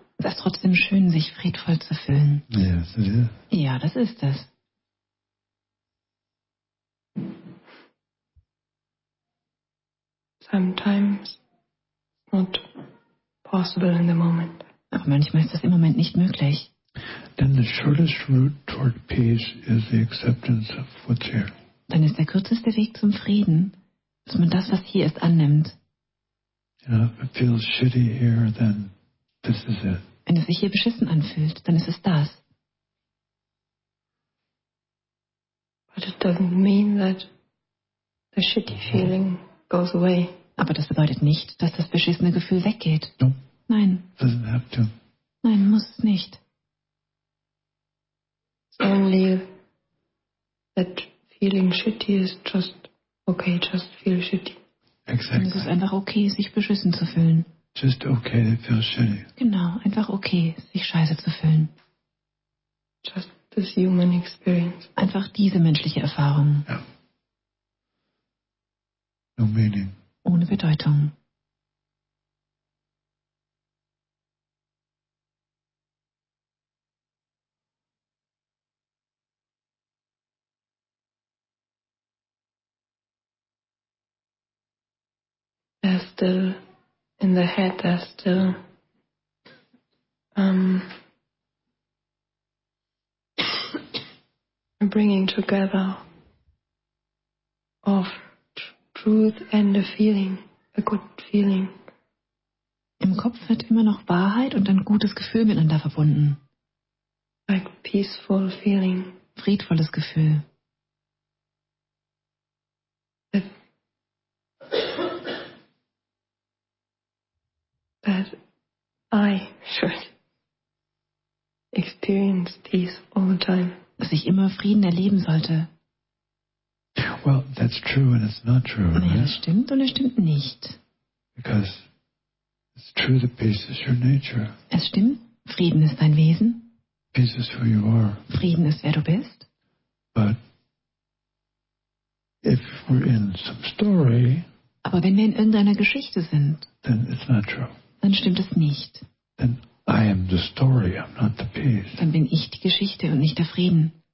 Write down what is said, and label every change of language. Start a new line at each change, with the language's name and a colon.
German: Es ist trotzdem schön, sich friedvoll zu fühlen.
English: Yes, it is.
German: Ja, das ist es.
English: Sometimes not possible in the moment.
German: Aber manchmal ist das im Moment nicht möglich.
English: Then the shortest route toward peace is the acceptance of what's here.
German: Dann ist der kürzeste Weg zum Frieden, dass man das, was hier ist, annimmt.
English: You know, if it feels shitty here, then this is it.
German: Wenn es sich hier beschissen anfühlt, dann ist es das.
English: But it doesn't mean that the shitty feeling goes away.
German: Aber das bedeutet nicht, dass das beschissene Gefühl weggeht.
English: No.
German: Nein.
English: Doesn't have to.
German: Nein, muss es nicht.
English: It's only that feeling shitty is just okay, just feel shitty. Exactly.
German: Es ist einfach okay, sich beschissen zu fühlen.
English: Just okay, it feels shitty.
German: Genau, einfach okay, sich scheiße zu fühlen.
English: Just this human experience.
German: Einfach diese menschliche Erfahrung.
English: Yeah. No meaning.
German: Ohne Bedeutung.
English: There's still in the head, there's still bringing together of truth and a feeling, a good feeling.
German: Im Kopf wird immer noch Wahrheit und ein gutes Gefühl miteinander verbunden.
English: Like peaceful feeling.
German: Friedvolles Gefühl.
English: That I should experience peace all the time.
German: Dass ich immer Frieden erleben sollte.
English: Well, that's true and it's not true, right?
German: Nein, das stimmt und es stimmt nicht.
English: Because it's true that peace is your nature.
German: Es stimmt, Frieden ist dein Wesen.
English: Peace is who you are.
German: Frieden ist, wer du bist.
English: But if we're in some story,
German: aber wenn wir in irgendeiner Geschichte sind,
English: then it's not true.
German: Dann stimmt es nicht.
English: Then I am the story, I'm not the peace.
German: Dann bin ich die Geschichte und nicht der Frieden.